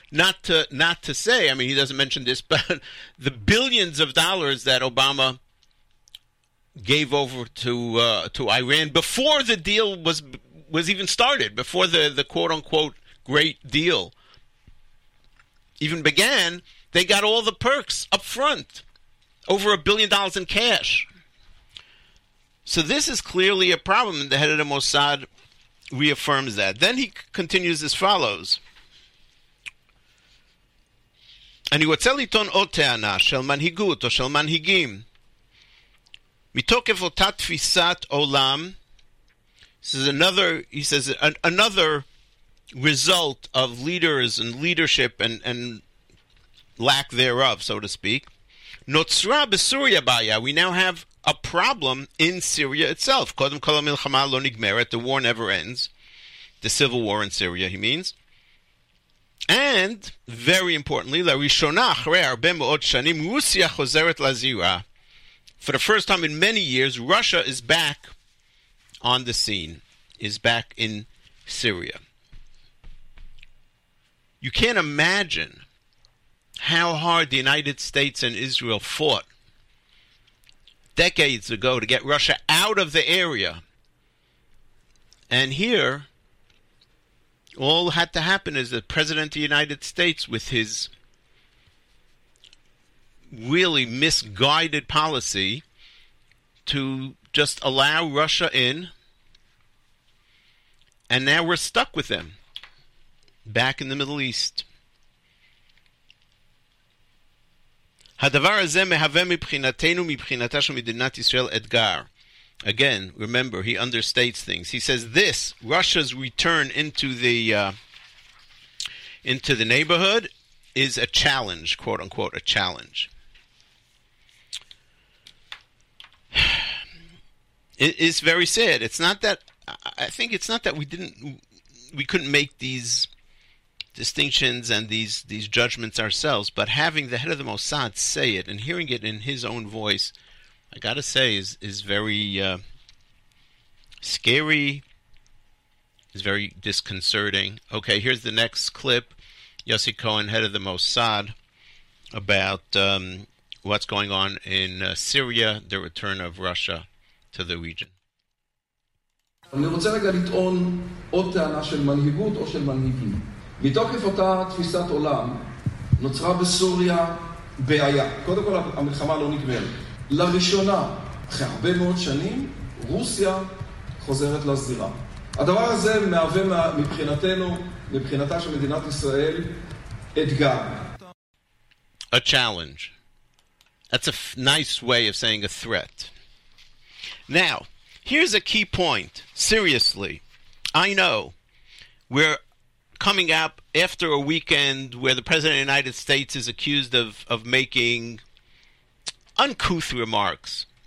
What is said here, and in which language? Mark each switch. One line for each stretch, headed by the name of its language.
English: Not to say, I mean, he doesn't mention this, but the billions of dollars that Obama gave over to Iran before the deal was even started, before the quote-unquote great deal even began, they got all the perks up front, over $1 billion in cash. So this is clearly a problem, and the head of the Mossad reaffirms that. Then he continues as follows.
Hebrew: אני רוצה לטעון עוד טענה של מנהיגות או של מנהיגים. מתוקף אותה תפיסת עולם,
English: this is another, he says, another result of leaders and leadership and lack thereof, so to speak.
Hebrew: נוצרה בסוריה בעיה.
English: We now have a problem in Syria itself.
Hebrew: קודם כל המלחמה לא נגמרת.
English: The war never ends. The civil war in Syria, he means. And, very importantly,
Hebrew: לראשונה, אחרי הרבה מאוד שנים, רוסיה חוזרת לזירה.
English: For the first time in many years, Russia is back on the scene, is back in Syria. You can't imagine how hard the United States and Israel fought decades ago to get Russia out of the area. And here, all had to happen is the President of the United States, with his really misguided policy to just allow Russia in, and now we're stuck with them back in the Middle East.
Hebrew: הדבר הזה מהווה מבחינתנו, מבחינתה של מדינת ישראל, אתגר.
English: Again, remember, he understates things. He says this, Russia's return into the neighborhood is a challenge, quote unquote, a challenge. It is very sad. I think it's not that we couldn't make these distinctions and these judgments ourselves, but having the head of the Mossad say it and hearing it in his own voice, I gotta say, is very scary. Is very disconcerting. Okay, here's the next clip, Yossi Cohen, head of the Mossad, about what's going on in Syria, the return of Russia to the region.
Hebrew: אני רוצה רגע לטעון עוד טענה של מנהיגות או של מנהיגים. מתוקף אותה תפיסת עולם, נוצרה בסוריה בעיה. קודם כל, המלחמה לא נגמרת. לראשונה, אחרי הרבה מאוד שנים, רוסיה חוזרת לזירה. הדבר הזה מהווה מבחינתנו, מבחינתה של מדינת ישראל, אתגר.
English: A challenge. That's a nice way of saying a threat. Now, Here's a key point. Seriously, I know we're coming up after a weekend where the President of the United States is accused of making uncouth remarks.